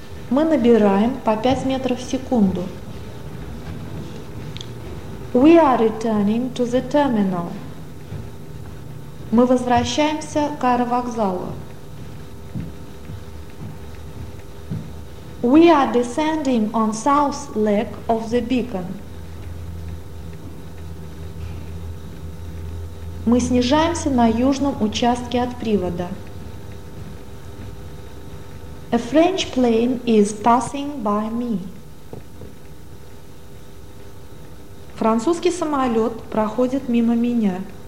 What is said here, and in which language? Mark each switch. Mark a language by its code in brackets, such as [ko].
[ru] Мы набираем по 5 метров в секунду. [en] We are returning to the terminal. [ru] Мы возвращаемся к аэровокзалу. [en] We are descending on south leg of the beacon. [ru] Мы снижаемся на южном участке от привода. [en] A French plane is passing by me. [ru] Французский самолет проходит мимо меня.